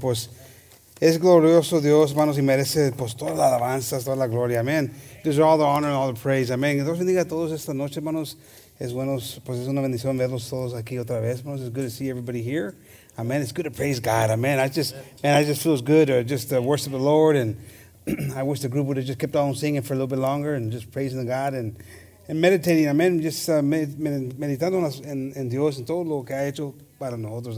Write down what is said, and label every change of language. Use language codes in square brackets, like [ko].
[es] Pues, es glorioso Dios, hermanos, y merece pues toda la alabanza, toda la gloria. [en] Amen. Gives all the honor and all the praise. Amen. [es] Dios bendiga a todos esta noche, hermanos. Es bueno, pues es una bendición verlos todos aquí otra vez. [en] Man, it's good to see everybody here. Amen. It's good to praise God. Amen. I just feels good to just worship the Lord. And I wish the group would have just kept on singing for a little bit longer and just praising the God and meditating. Amen. [es] Just meditando en Dios en todo lo que ha hecho para nosotros.